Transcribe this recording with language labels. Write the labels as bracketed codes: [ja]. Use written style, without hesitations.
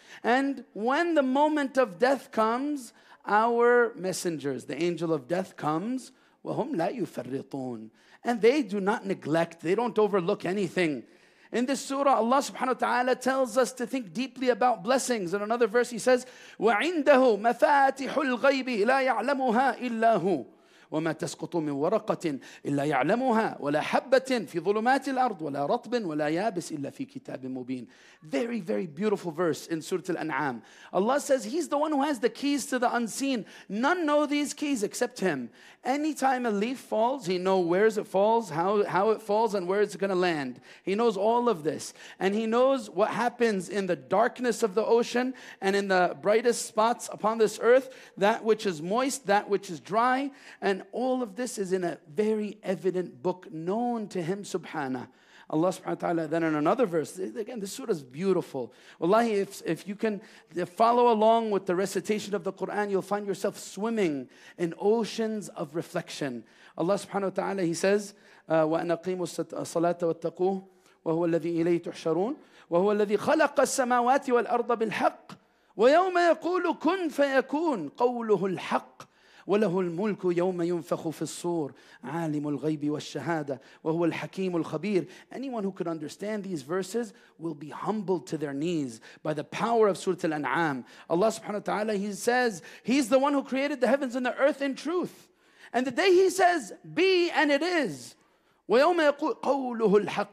[en] And when the moment of death comes, our messengers, the angel of death comes, [ar] وَهُمْ لَا يُفَرِّطُونَ. [en] And they do not neglect, they don't overlook anything. In this surah, Allah subhanahu wa ta'ala tells us to think deeply about blessings. In another verse, he says, [ar] وَعِنْدَهُ مَفَاتِحُ الْغَيْبِ لَا يَعْلَمُهَا إِلَّا هُوَ وَمَا تَسْقُطُ مِنْ وَرَقَةٍ إِلَّا يَعْلَمُهَا وَلَا حَبَّةٍ فِي ظُلُمَاتِ الْأَرْضِ وَلَا رَطْبٍ وَلَا يَابِسٍ إِلَّا فِي كِتَابٍ مُبِينٍ. [en] Very, very beautiful verse in Surah Al-An'am. Allah says, he's the one who has the keys to the unseen. None know these keys except him. Anytime a leaf falls, he knows where it falls, how it falls, and where it's going to land. He knows all of this. And he knows what happens in the darkness of the ocean and in the brightest spots upon this earth, that which is moist, that which is dry. And all of this is in a very evident book known to him, subhanah. Allah subhanahu wa ta'ala, then in another verse, again, this surah is beautiful. Wallahi, if you can follow along with the recitation of the Qur'an, you'll find yourself swimming in oceans of reflection. Allah subhanahu wa ta'ala, he says, [ar] وَأَنَا قِيمُوا الصَّلَاةَ وَاتَّقُوهُ وَهُوَ الَّذِي إِلَيْهِ تُحْشَرُونَ وَهُوَ الَّذِي خَلَقَ السَّمَاوَاتِ وَالْأَرْضَ بِالْحَقِّ وَيَوْمَ يَقُولُ كُنْ فَيَكُونَ قَوْلُهُ الْحَقِّ وله الملك يوم ينفخ في الصور عالم الغيب والشهادة وهو الحكيم الخبير. [en] Anyone who could understand these verses will be humbled to their knees by the power of Surah Al-An'am. Allah subhanahu wa ta'ala, he says, he's the one who created the heavens and the earth in truth. And the day he says, be, and it is. [ar] ويوم يقول قوله الحق.